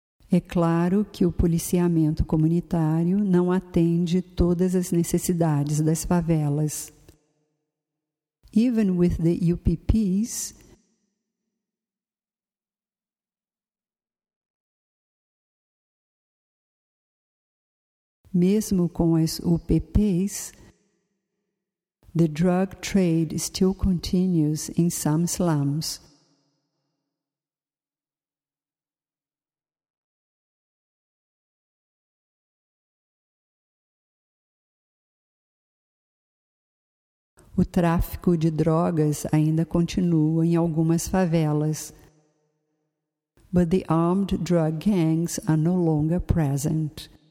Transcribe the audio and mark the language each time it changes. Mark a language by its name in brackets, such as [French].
[Portuguese] É claro que o policiamento comunitário não atende todas as necessidades das favelas. [English] Even with the UPPs, [Portuguese] mesmo com as UPPs, [English] the drug trade still continues in some slums. [Portuguese] O tráfico de drogas ainda continua em algumas favelas. [English] But the armed drug gangs are no longer present.